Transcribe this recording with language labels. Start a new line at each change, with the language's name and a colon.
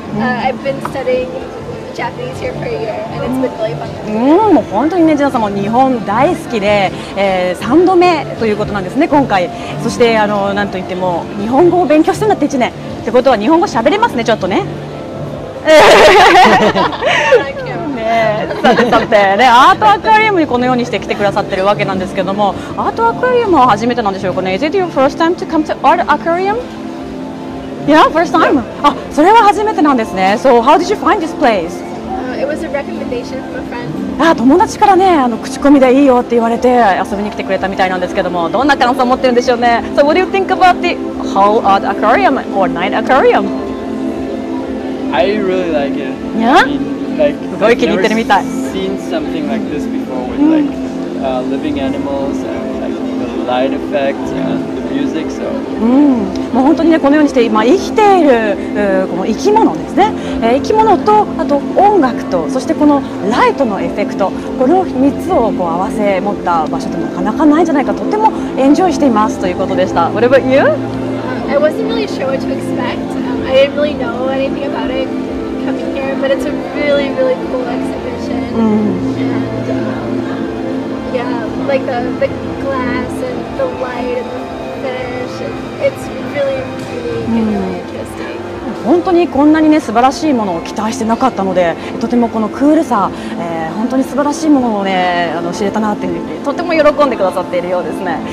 English: I've been studying Japanese here for a year and it's been really fun.
Japanese: もう本当にね、ジナさんも日本大好きで、3度目ということなんですね、今回。そして、なんといっても日本語を勉強してるんだって1年。ってことは日本語喋れますね、ちょっとね。さてね、アートアクアリウムにこのようにして来てくださってるわけなんですけども、アートアクアリウムは初めてなんでしょうかね。
English: Is it your first time to come to art aquarium? Yeah, first time?
Japanese: あ、それは初めてなんですね。
English: So, how did you find this place? It was a recommendation from a friend.
Japanese: 友達からね、口コミでいいよって言われて遊びに来てくれたみたいなんですけども、どんな感想を持ってるんでしょうね。
English: So, what do you think about the whole art aquarium or night aquarium? I really like it. Yeah?
Japanese: すごい気に入ってるみたい。
English: Seen something like this before with like living animals and like the light effects and the music, so.
Japanese: もう本当にね、このようにして今生きているこの生き物ですね、生き物とあと音楽と、そしてこのライトのエフェクト、この3つをこう合わせ持った場所ってなかなかないんじゃないか、とてもエンジョイしていますということでした。
English: What about you? I wasn't really sure what to expect. I didn't really know anything about itBut it's a really, really cool exhibition. The glass and the light and the fish. It's really unique and really interesting.
Japanese: 本当にこんなにね、素晴らしいものを期待してなかったので、とてもこのクールさ、本当に素晴らしいものをね、知れたなっていうふうに、とても喜んでくださっているようですね。